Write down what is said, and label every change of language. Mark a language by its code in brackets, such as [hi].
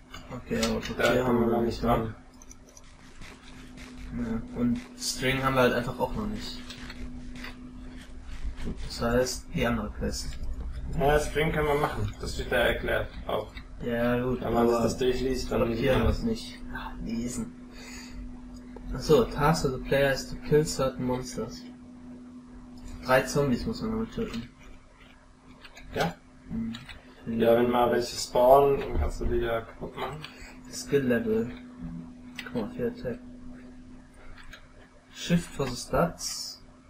[de] Okay, aber Papier da haben wir noch nicht dran. Ja, und String haben wir halt einfach auch noch nicht. Gut, das heißt, die andere Quest. Ja, String können wir machen, das wird ja erklärt auch. Ja, gut. Wenn man das durchliest, dann hier haben wir es nicht. Lesen. Achso, [en] Task of the Player is to kill certain monsters. [de] 3 Zombies muss man damit töten. Ja? Mhm. Ja, wenn mal welche spawnen, dann kannst du die ja kaputt machen. [en] Skill Level. [de] Guck mal, [en] 4 Attack. Shift for the Stats.